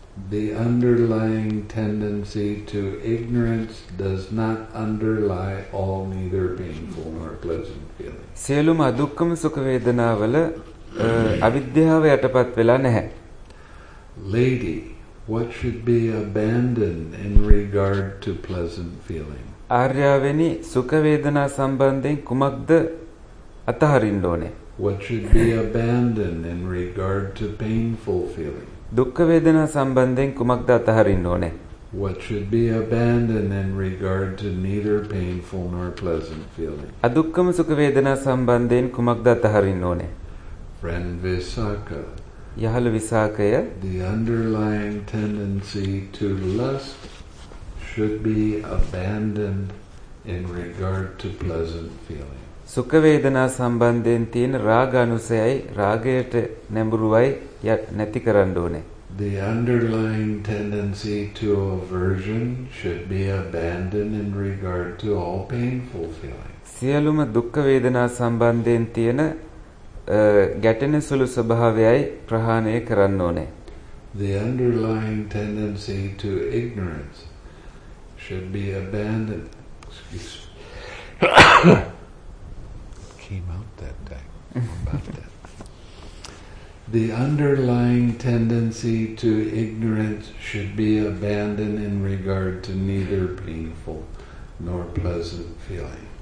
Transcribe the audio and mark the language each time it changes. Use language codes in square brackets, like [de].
[en] The underlying tendency to ignorance does not underlie all neither painful nor pleasant feeling. [si] සියලුම දුක්ඛම සුඛ වේදනාවල අවිද්‍යාව යටපත් වෙලා නැහැ. [en] Lady, what should be abandoned in regard to pleasant feeling? [si] ආර්යවෙනි සුඛ වේදනා සම්බන්ධයෙන් කුමක්ද අතහරින්න ඕනේ? [en] What should be abandoned in regard to painful feeling? [si] දුක් වේදනා සම්බන්ධයෙන් කුමක්ද අතහරින්න ඕනේ? [en] What should be abandoned in regard to neither painful nor pleasant feeling? [si] අදුක්කම සුඛ වේදනා සම්බන්ධයෙන් කුමක්ද අතහරින්න ඕනේ? [en] Friend Visakha. [si] යහළ විසාකය. [en] The underlying tendency to lust should be abandoned in regard to pleasant feeling. [si] සුඛ වේදනා සම්බන්ධයෙන් තියෙන රාගනුසයයි රාගයට නැඹුරුවයි නැති කරන්න ඕනේ. [en] The underlying tendency to aversion should be abandoned in regard to all painful feeling. [si] සියලුම දුක් වේදනා සම්බන්ධයෙන් තියෙන ගැටෙන සුළු ස්වභාවයයි ප්‍රහාණය කරන්න ඕනේ. [en] The underlying tendency to ignorance should be abandoned. Excuse me. Came out that day. About that. The underlying tendency to ignorance should be abandoned in regard to neither painful nor pleasant feeling.